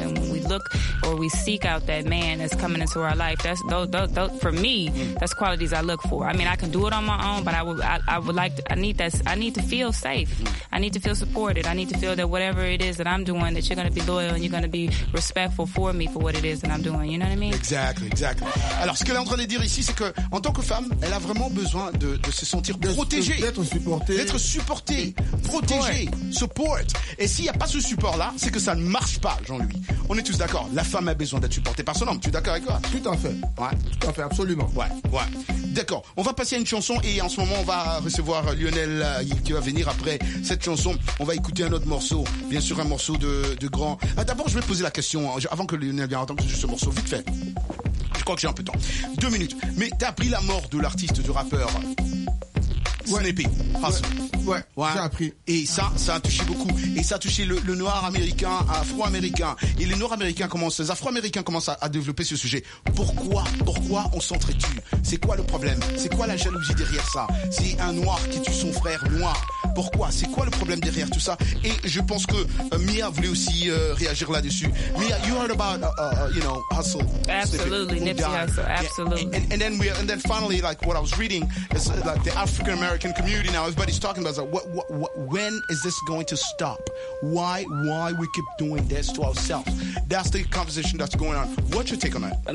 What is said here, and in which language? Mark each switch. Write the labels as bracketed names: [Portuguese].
[English] And when we look or we seek out that man that's coming into our life, that's those, for me, that's qualities I look for. I mean, I can do it on my own, but I need to feel safe. I need to feel supported. I need to feel that whatever it is that I'm doing, that you're going to be loyal and you're going to be respectful for me for what it is that I'm doing. You know what I mean? Exactly. [French] Alors, ce qu'elle est en train de dire ici, c'est que, en tant que femme, elle a vraiment besoin de se sentir protégée. D'être supportée. supporté. D'être supporté, protégé, support. Et s'il n'y a pas ce support-là, c'est que ça ne marche pas, Jean-Louis. On est tous d'accord. La femme a besoin d'être supportée par son homme. Tu es d'accord avec moi? Tout à fait. Ouais. Tout à fait, absolument. Ouais, ouais. D'accord. On va passer à une chanson et en ce moment, on va recevoir Lionel qui va venir après cette chanson. On va écouter un autre morceau. Bien sûr, un morceau de grand. Ah, d'abord, je vais poser la question avant que Lionel vienne entendre juste ce morceau. Vite fait. Je crois que j'ai un peu de temps. Deux minutes. Mais t'as appris la mort de l'artiste, du rappeur Snippy. Ouais. J'ai appris. Et ça, ça a touché beaucoup. Et ça a touché le noir américain, afro-américain. Et les noirs américains commencent, les afro-américains commencent à développer ce sujet. Pourquoi on s'entretue? C'est quoi le problème? C'est quoi la jalousie derrière ça? C'est un noir qui tue son frère noir. Pourquoi? C'est quoi le problème derrière tout ça? Et je pense que Mia voulait aussi réagir là-dessus. [English] Mia, you heard about, you know, Hustle. Absolutely, Nipsey Hustle. Yeah. And then finally, like what I was reading, is like the African American community now, everybody's talking about that. What, when is this going to stop? Why we keep doing this to ourselves? That's the conversation that's going on. What's your take on that?